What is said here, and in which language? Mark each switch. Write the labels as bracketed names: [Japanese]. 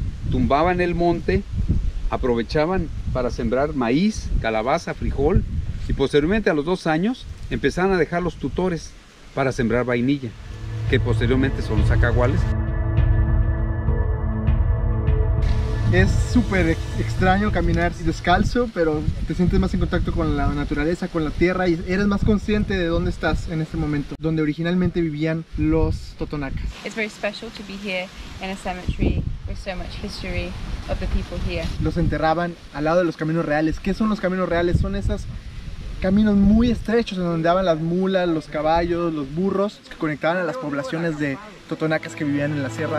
[Spanish] Tumbaban el monte, aprovechaban para sembrar maíz, calabaza, frijol y posteriormente a los 2 años empezaban a dejar los tutores para sembrar vainilla, que posteriormente son los acaguales. Es súper extraño caminar descalzo, pero te sientes más en contacto con la naturaleza, con la tierra, y eres más consciente de dónde estás en este momento, donde originalmente vivían los totonacas. [English] It's very special to be here in a cemetery with so much history of the people here. [Spanish] Los enterraban al lado de los caminos reales. ¿Qué son los caminos reales? Son esos caminos muy estrechos en donde andaban las mulas, los caballos, los burros, que conectaban a las poblaciones de totonacas que vivían en la sierra.